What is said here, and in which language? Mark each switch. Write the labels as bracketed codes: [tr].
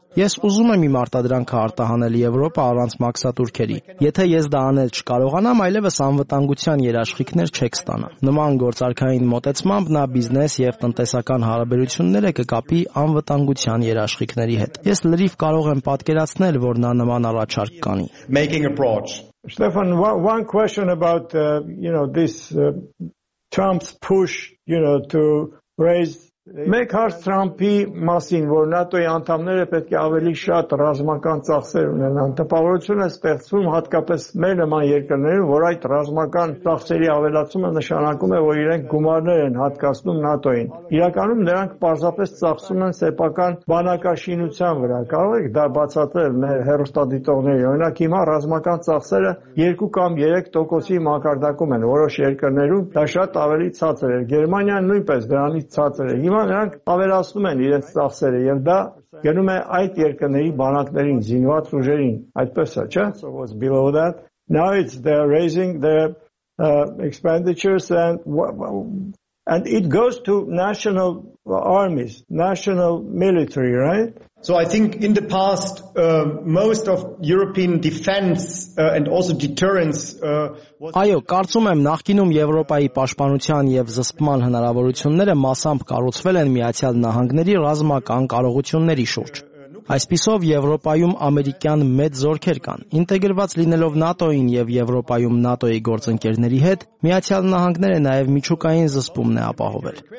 [hy] ես ուզում եմ իմ արտադրանքը արտահանել Եվրոպա առանց մաքսատուրքերի։ Եթե ես դա անել չկարողանամ, այլևս անվտանգության երաշխիքներ չեք ստանա։ Նման գործարքային մոտեցմամբ նա բիզնես եւ տնտեսական հարաբերությունները կկապի անվտանգության երաշխիքների հետ։ Ես լրիվ կարող եմ պատկերացնել, որ նա նման առաջարկ կանի։ [en] Stefan, one question about this Trump's push, to raise [hy] Մեկ հարց Թրամփի մասին, որ ՆԱՏՕ-ի անդամները պետք է ավելի շատ ռազմական ծախսեր ունենան։ Տպավորություն է ստեղծվում հատկապես մեր նման երկրներում, որ այդ ռազմական ծախսերի ավելացումը նշանակում է, որ իրենք գումարներ են հատկացնում ՆԱՏՕ-ին։ Իրականում նրանք պարզապես ծախսում են սեպական բանակաշինության վրա։ Կարո՞ղ եք դա բացատրել մեր հեռուստադիտողներին։ Օրինակ հիմա ռազմական ծախսերը 2-3% մակարդակում են որոշ երկրներում, դա շատ ավելի ցածր է։ Գերմանիան նույնպես դրանից ցածր է։ Հիմա նրանք ավելացնում են իրենց ծախսերը և դա գնում է այդ երկրների բանակներին, զինված ուժերին, այդպես է, չէ՞։ [en] So what's below that? Now it's they're raising their expenditures and it goes to national armies, national military, right? So I think in the past most of European defense and also deterrence was [hy] Այո, կարծում եմ նախկինում Եվրոպայի պաշտպանության եւ զսպման հնարավորությունները մասամբ կառուցվել են Միացյալ Նահանգների ռազմական կարողությունների շուրջ։ Այսպիսով Եվրոպայում ամերիկյան մեծ զորքեր կան։ Ինտեգրված լինելով ՆԱՏՕ-ին եւ Եվրոպայում ՆԱՏՕ-ի գործընկերների հետ, Միացյալ Նահանգները նաեւ միջուկային զսպումն է ապահովել։